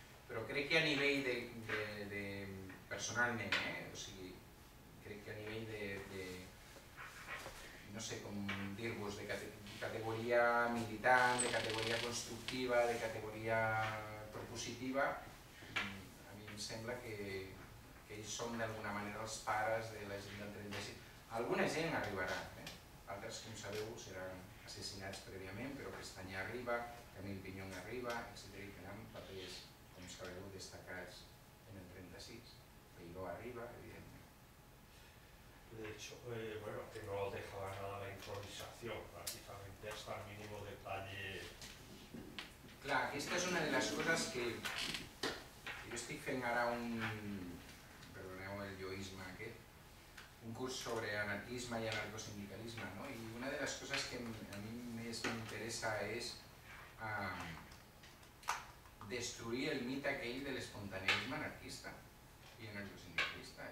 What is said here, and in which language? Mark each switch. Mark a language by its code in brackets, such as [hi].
[ca] Però crec que a nivell de personalment, o sigui, crec que a nivell de no sé com dir-vos, de categoria militant, de categoria constructiva, de categoria propositiva, a mi em sembla que ells són d'alguna manera els pares de la gent del 36. Alguna gent arribarà, altres, com sabeu, seran assassinats prèviament, però Pestanyà arriba, Camil Pinyón arriba, etcètera, i tenen papers, com sabeu, destacats en el 36. Peiró arriba, evidentment. [es] De hecho, bueno, que no dejaba nada la improvisación, prácticamente hasta el mínimo detalle. [ca] Clar, aquesta és una de les coses que jo estic fent ara un, perdoneu el lloisme aquest, un curs sobre anarquisme i anarcosindicalisme, no? I una de les coses que a mi més m'interessa és destruir el mite aquell de l'espontanisme anarquista i anarcosindicalista.